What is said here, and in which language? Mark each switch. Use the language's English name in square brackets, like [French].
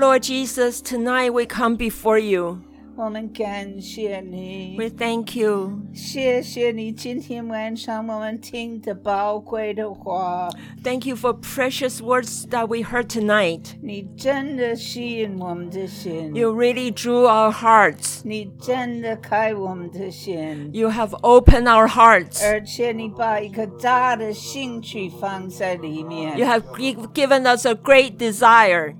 [English] Lord Jesus, tonight we come before you. We thank you. [Chinese] 谢谢你今天晚上我们听的宝贵的话。 [English] Thank you for precious words that we heard tonight. [Chinese] 你真的吸引我们的心。 [English] You really drew our hearts. [Chinese] 你真的开我们的心。 [English] You have opened our hearts. [Chinese] 而且你把一个大的兴趣放在里面。 [English] You have given us a great desire.